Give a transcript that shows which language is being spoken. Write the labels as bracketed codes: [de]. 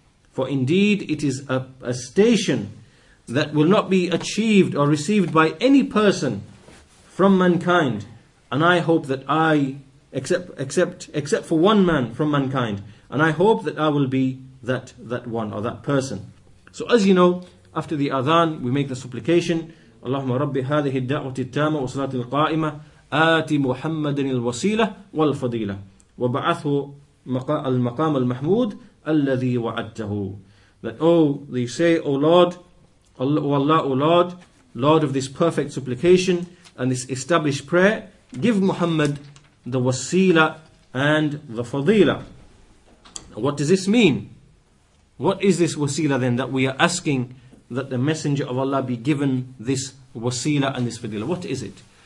[en] For indeed it is a station that will not be achieved or received by any person from mankind, and I hope that I, except for one man from mankind, and I hope that I will be that one or that person. So as you know, after the adhan we make the supplication, [ar] اللهم رب هذه الدعوة التامة والصلاة القائمة آتي محمد الوسيلة والفضيلة وبعثه المقام المحمود الذي وعدته. [en] That they say, O Lord, O Allah, O Lord, Lord of this perfect supplication and this established prayer, give Muhammad the wasila and the fadila. What does this mean? What is this wasila then that we are asking that the Messenger of Allah be given this wasila and this fadila? What is it?